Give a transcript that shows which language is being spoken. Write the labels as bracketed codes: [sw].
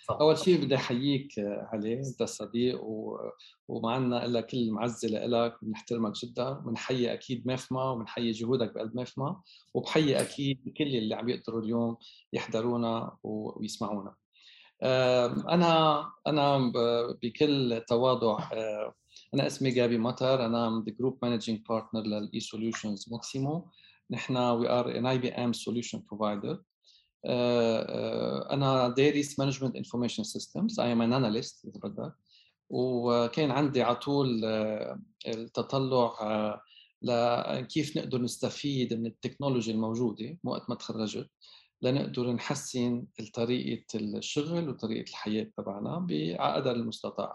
[ar] أول شيء بدي أحييك علي، أنت صديق ومعنا إلا كل معزة لإلك، بنحترمك جدا، بنحيي أكيد ميفما وبنحيي جهودك بقلب ميفما، وبحيي أكيد كل اللي عم يقدروا اليوم يحضرونا ويسمعونا. أنا بكل تواضع، أنا اسمي جابي مطر، أنا [en] the group managing partner [ar] لل e-solutions Maximo. نحنا [en] we are an IBM solution provider. [ar] أنا دارس [en] Management Information Systems. I am an analyst [ar] إذا بدك. وكان عندي عطول التطلع لكيف نقدر نستفيد من التكنولوجيا الموجودة وقت ما تخرجت، لنقدر نحسن طريقة الشغل وطريقة الحياة تبعنا بقدر المستطاع.